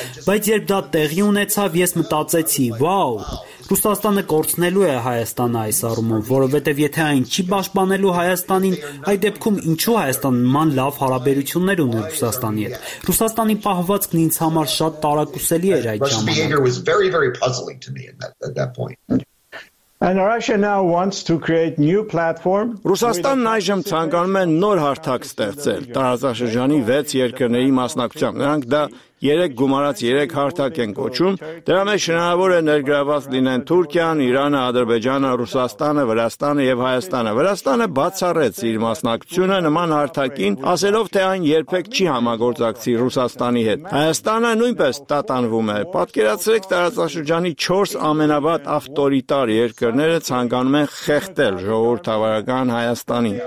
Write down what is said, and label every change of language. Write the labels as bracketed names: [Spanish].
[Armenian] բայց երբ դա տեղի ունեցավ, ես մտածեցի, վաո, Ռուսաստանը կորցնելու է Հայաստանը այս առումով, որովհետև եթե այն չի պաշտպանելու Հայաստանին, այդ դեպքում ինչու Հայաստանը նման լավ հարաբերություններ ունի Ռուսաստանի հետ։ Ռուսաստանի պահվածքն ինձ համար շատ տարակուսելի էր այդ ժամանակ։ [English] And Russia now wants to create new platform. [Armenian] Ռուսաստանն այժմ ցանկանում է նոր հարթակ ստեղծել տարածաշրջանի 6 երկրների մասնակցությամբ։ Նրանք դա 3 գումարած 3 հարթակ են կոչում, դրա մեջ հնարավոր է ներգրաված լինեն Թուրքիան, Իրանը, Ադրբեջանը, Ռուսաստանը, Վրաստանը եւ Հայաստանը։ Վրաստանը բացառեց իր մասնակցությունը նման հարթակին, ասելով, թե այն երբեք չի համագործակցի Ռուսաստանի հետ։ Հայաստանը նույնպես տատանվում է։ Պատկերացրեք, տարածաշրջանի 4 ամենավատ ավտորիտար երկրները ցանկանում են խեղդել ժողովրդավարական Հայաստանի։